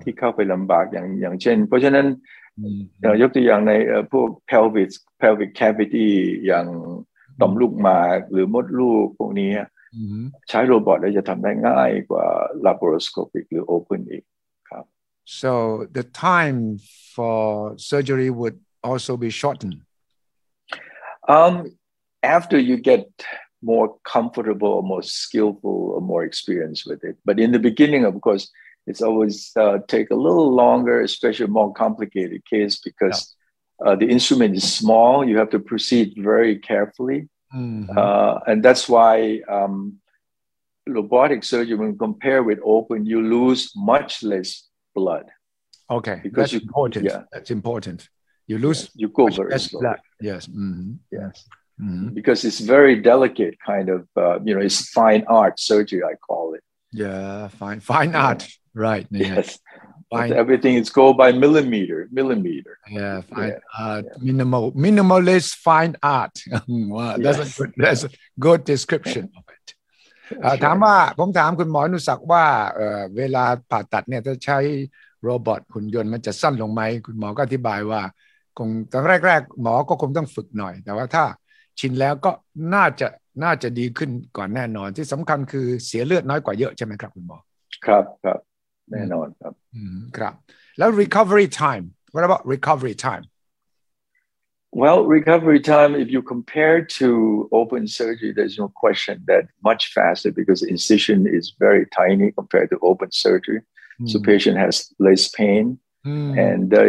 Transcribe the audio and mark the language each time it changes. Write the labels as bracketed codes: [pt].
[th] ที่เข้าไปลำบากอย่างเช่นเพราะฉะนั้นยกตัวอย่างในพวก pelvic cavity อย่างต่อมลูกหมากหรือมดลูกพวกนี้ใช้โรบอทแล้วจะทำได้ง่ายกว่า laparoscopic หรือ open อีกครับ [en] so the time for surgery would also be shortened after you getmore comfortable, more skillful, or more experienced with it. But in the beginning, of course, it's always take a little longer, especially more complicated case because the instrument is small. You have to proceed very carefully. Mm-hmm. And that's why robotic surgery, when compared with open, you lose much less blood. Okay, because that's important. Yeah. That's important. You lose you go very less slowly. Blood. Yes. Mm-hmm. Yes. Mm-hmm. Because it's very delicate kind of, you know, it's fine art surgery, I call it. Yeah, fine art, right. Yes, fine. Everything is go by millimeter. Yeah, fine art, minimalist fine art. Wow, that's a good description of it. [th] ถามว่าผมถามคุณหมออนุสักว่าเวลาผ่าตัดเนี่ยถ้าใช้โรบอทหุ่นยนต์มันจะสั้นลงไหมคุณหมอก็อธิบายว่าคงตอนแรกๆหมอก็คงต้องฝึกหน่อยแต่ว่าถ้าชินแล้วก็น่าจะดีขึ้นก่อนแน่นอนที่สำคัญคือเสียเลือดน้อยกว่าเยอะใช่ไหมครับคุณหมอ ครับครับแน่นอนครับ ครับแล้ว [en] recovery time what about recovery time well recovery time if you compare to open surgery there's no question that much faster because incision is very tiny compared to open surgery so patient has less pain and